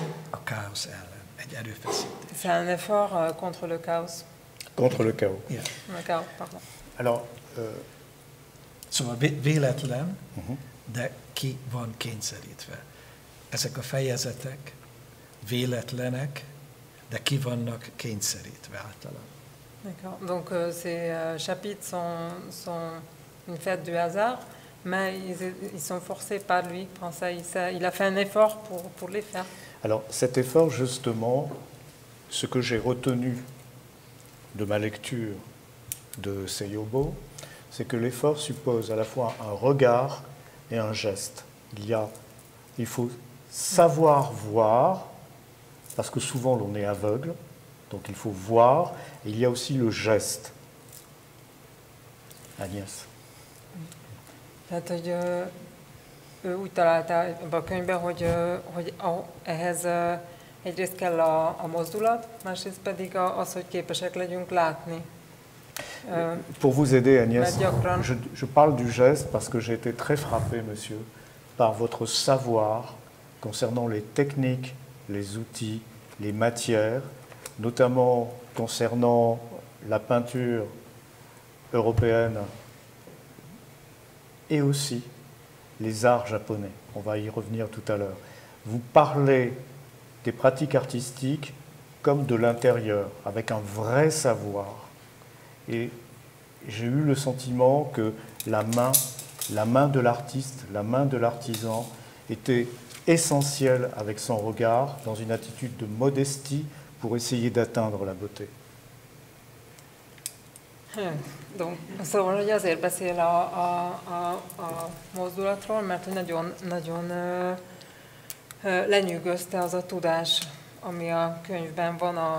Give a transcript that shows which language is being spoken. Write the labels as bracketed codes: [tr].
[hu] a káosz ellen, egy erőfeszítés. [fr] C'est un effort contre le chaos. Contre le chaos. Yeah. Le chaos, pardon. Alors, [hu] Szóval véletlen, de ki van kényszerítve? Ezek a fejezetek véletlenek, de ki vannak kényszerítve általában? [fr] D'accord. Donc ces chapitres sont une fête du hasard, mais ils sont forcés par lui. Il a fait un effort pour les faire. Alors cet effort, justement, ce que j'ai retenu de ma lecture de Seyobo, c'est que l'effort suppose à la fois un regard et un geste. Il faut savoir voir, parce que souvent l'on est aveugle. Donc il faut voir, et il y a aussi le geste. Agnès. [hu] Tehát, hogy ő úgy találta a könyvben, hogy ehhez egyrészt kell a mozdulat, másrészt pedig az, hogy képesek legyünk látni. [fr] Pour vous aider, Agnès, je parle du geste parce que j'ai été très frappé, monsieur, par votre savoir concernant les techniques, les outils, les matières, notamment concernant la peinture européenne et aussi les arts japonais. On va y revenir tout à l'heure. Vous parlez des pratiques artistiques comme de l'intérieur, avec un vrai savoir. Et j'ai eu le sentiment que la main de l'artiste, la main de l'artisan était essentielle avec son regard dans une attitude de modestie pour essayer d'atteindre la beauté. [hu] Donc, szóval, hogy azért beszél a mozdulatról, mert nagyon, nagyon lenyűgözte az a tudás, ami a könyvben van,